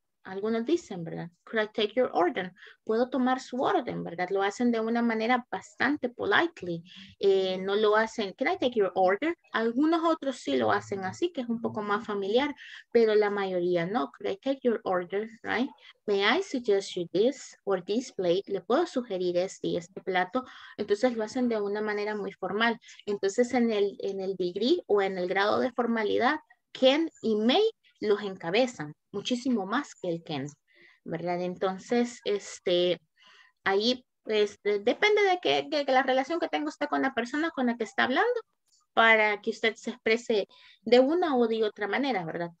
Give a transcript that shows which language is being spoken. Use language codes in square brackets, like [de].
[es] Algunos dicen, ¿verdad? [en] Could I take your order? [es] Puedo tomar su orden, ¿verdad? Lo hacen de una manera bastante politely. No lo hacen, [en] could I take your order? [es] Algunos otros sí lo hacen así, que es un poco más familiar, pero la mayoría no. [en] Could I take your order, right? May I suggest you this or this plate? [es] ¿Le puedo sugerir este y este plato? Entonces lo hacen de una manera muy formal. Entonces en el degree o en el grado de formalidad, can y may los encabezan muchísimo más que el can, ¿verdad? Entonces, ahí, pues, depende de que de la relación que tenga usted con la persona con la que está hablando, para que usted se exprese de una o de otra manera, ¿verdad?